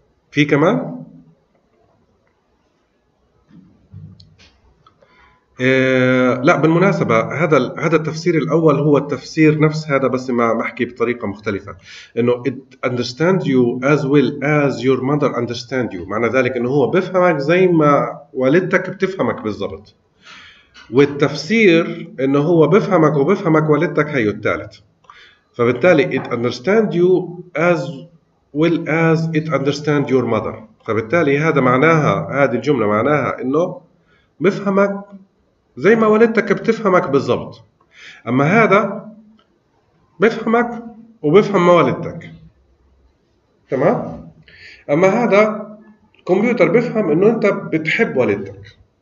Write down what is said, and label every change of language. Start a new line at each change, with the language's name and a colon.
Arabic: في كمان لا، بالمناسبة هذا التفسير الأول هو التفسير نفس هذا، بس ما بحكي بطريقة مختلفة، إنه
English: it understand you as well as your mother understand you.
Arabic: معنى ذلك إنه هو بفهمك زي ما والدتك بتفهمك بالضبط، والتفسير إنه هو بفهمك وبفهمك والدتك، هي الثالث. فبالتالي
English: it understand you as well as it understand your mother.
Arabic: فبالتالي هذا معناها، هذه الجملة معناها إنه بفهمك زي ما والدتك بتفهمك بالضبط، أما هذا بفهمك وبفهم ما والدتك. تمام؟ أما هذا الكمبيوتر بفهم أنه أنت بتحب والدتك.